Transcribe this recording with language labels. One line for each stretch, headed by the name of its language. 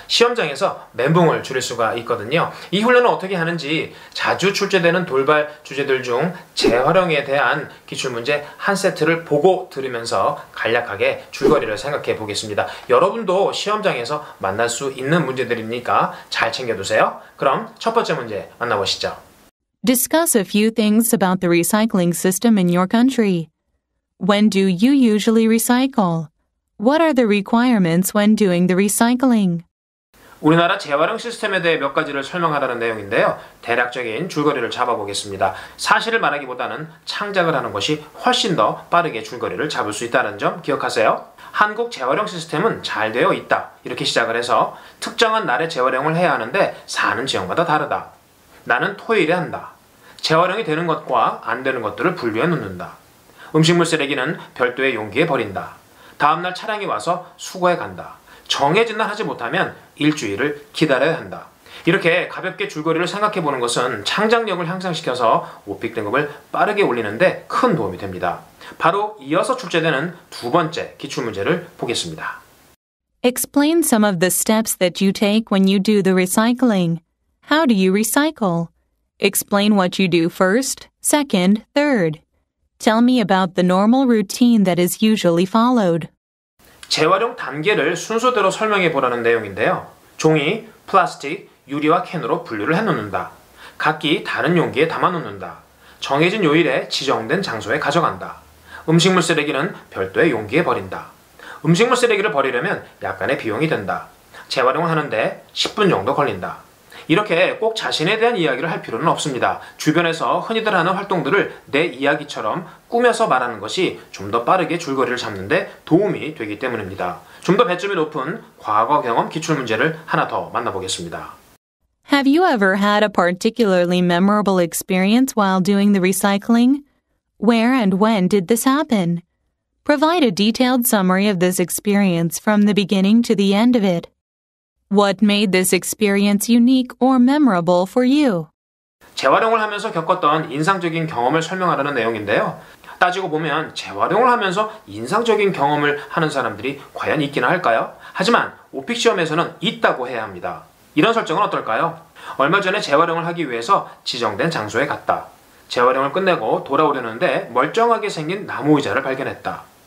Korean: 시험장에서 멘붕을 줄일 수가 있거든요. 이 훈련은 어떻게 하는지 자주 출제되는 돌발 주제들 중 재활용에 대한 기출 문제 한 세트를 보고 들으면서 간략하게 줄거리를 생각해보겠습니다. 여러분도 시험장에서 만날 수 있는 문제들이니까 잘 챙겨두세요. 그럼 첫 번째 문제 만나보시죠.
English: Discuss a few things about the recycling system in your country. When do you usually recycle? What are the requirements when doing the recycling?
Korean: 우리나라 재활용 시스템에 대해 몇 가지를 설명하라는 내용인데요. 대략적인 줄거리를 잡아보겠습니다. 사실을 말하기보다는 창작을 하는 것이 훨씬 더 빠르게 줄거리를 잡을 수 있다는 점 기억하세요. 한국 재활용 시스템은 잘 되어 있다. 이렇게 시작을 해서 특정한 날에 재활용을 해야 하는데 사는 지역마다 다르다. 나는 토요일에 한다. 재활용이 되는 것과 안 되는 것들을 분류해 놓는다. 음식물 쓰레기는 별도의 용기에 버린다. 다음날 차량이 와서 수거해 간다. 정해진 날 하지 못하면 일주일을 기다려야 한다. 이렇게 가볍게 줄거리를 생각해보는 것은 창작력을 향상시켜서 오픽 등급을 빠르게 올리는데 큰 도움이 됩니다. 바로 이어서 출제되는 두 번째 기출문제를 보겠습니다.
English: Explain some of the steps that you take when you do the recycling. How do you recycle? Explain what you do first, second, third. Tell me about the normal routine that is usually followed.
Korean: 재활용 단계를 순서대로 설명해보라는 내용인데요. 종이, 플라스틱, 유리와 캔으로 분류를 해놓는다. 각기 다른 용기에 담아놓는다. 정해진 요일에 지정된 장소에 가져간다. 음식물 쓰레기는 별도의 용기에 버린다. 음식물 쓰레기를 버리려면 약간의 비용이 든다. 재활용을 하는데 10분 정도 걸린다. 이렇게 꼭 자신에 대한 이야기를 할 필요는 없습니다. 주변에서 흔히들 하는 활동들을 내 이야기처럼 꾸며서 말하는 것이 좀 더 빠르게 줄거리를 잡는 데 도움이 되기 때문입니다. 좀 더 배점이 높은 과거 경험 기출 문제를 하나 더 만나보겠습니다.
English: Have you ever had a particularly memorable experience while doing the recycling? Where and when did this happen? Provide a detailed summary of this experience from the beginning to the end of it. What made this experience unique or memorable for you?
Korean: 재활용을 하면서 겪었던 인상적인 경험을 설명하라는 내용인데요. 따지고 보면 재활용을 하면서 인상적인 경험을 하는 사람들이 과연 있기나 할까요? 하지만 오픽 시험에서는 있다고 해야 합니다. 이런 설정은 어떨까요? 얼마 전에 재활용을 하기 위해서 지정된 장소에 갔다. 재활용을 끝내고 돌아오려는데 멀쩡하게 생긴 나무 의자를 발견했다.